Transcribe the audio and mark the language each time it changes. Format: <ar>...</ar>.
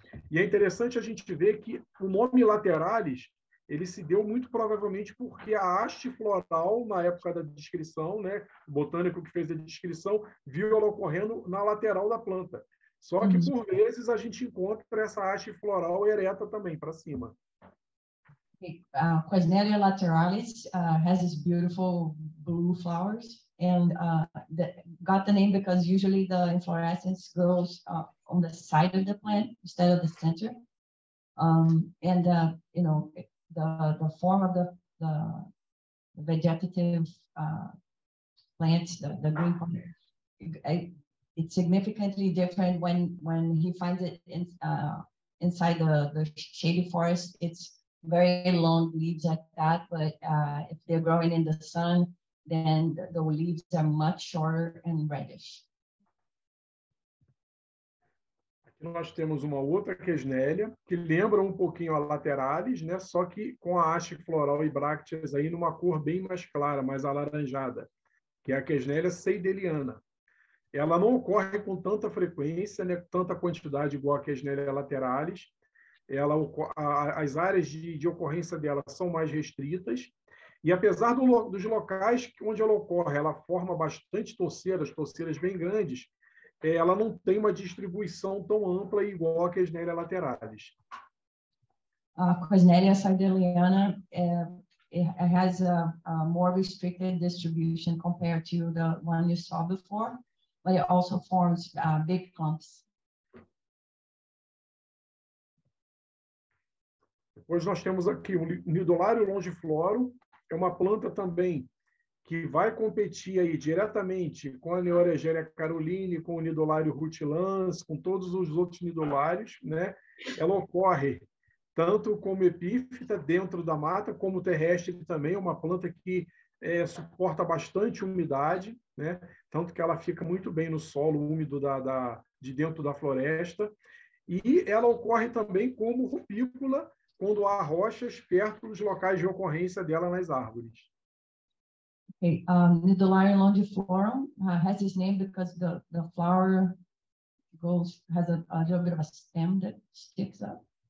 <pt>E é interessante a gente ver que o nome lateralis, ele se deu muito provavelmente porque a haste floral, na época da descrição, né, o botânico que fez a descrição, viu ela ocorrendo na lateral da planta. Só que, por vezes, a gente encontra essa haste floral ereta também, para cima.</pt> <en>Quesnelia lateralis has these beautiful blue flowers, and got the name because usually the inflorescence grows on the side of the plant instead of the center. You know, the form of the vegetative plant, the green part, it's significantly different when he finds it inside the shady forest. It's very long leaves like that, but if they're growing in the sun, then the leaves are much shorter and reddish.</en> <pt>Aqui nós temos uma outra quesnelia que lembra um pouquinho a lateralis, né? Só que com a haste floral e brácteas aí numa cor bem mais clara, mais alaranjada, que é a quesnelia seideliana. Ela não ocorre com tanta frequência, né? Tanta quantidade igual a quesnelia lateralis. As áreas de ocorrência dela são mais restritas. E apesar dos locais onde ela ocorre, ela forma bastante torceiras bem grandes, ela não tem uma distribuição tão ampla igual a Quesnelia lateralis.</pt> <en>A Quesnelia seideliana has a more restricted distribution compared to the one you saw before, but it also forms big clumps.</en> <pt>Depois nós temos aqui o Nidolario longifloro, é uma planta também que vai competir aí diretamente com a Neoregeria caroline, com o Nidolario rutilans, com todos os outros nidolários, né? Ela ocorre tanto como epífita dentro da mata, como terrestre também, é uma planta que suporta bastante umidade, né? Tanto que ela fica muito bem no solo úmido de dentro da floresta. E ela ocorre também como rupícola, quando há rochas perto dos locais de ocorrência dela nas árvores.</pt> <en>Okay. The Lyra longiflorum has this name because the flower goes has a little bit of a stem that sticks up.</en>